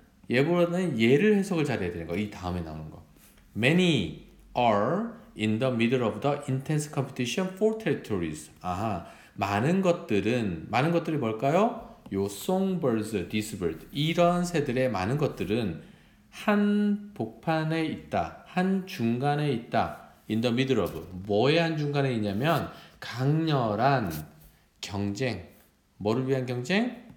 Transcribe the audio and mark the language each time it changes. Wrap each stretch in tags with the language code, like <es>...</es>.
<ko>얘보다는 얘를 해석을 잘해야 되는 거, 이 다음에 나오는 거.</ko> <en>Many are in the middle of the intense competition for territories.</en> <ko>아하, 많은 것들이 뭘까요? 요 songbirds,</ko> <en>these birds,</en> <ko>이런 새들의 많은 것들은 한 복판에 있다, 한 중간에 있다.</ko> <en>In the middle of,</en> <ko>뭐의 한중간에 있냐면 강렬한 경쟁, 뭐를 위한 경쟁?</ko>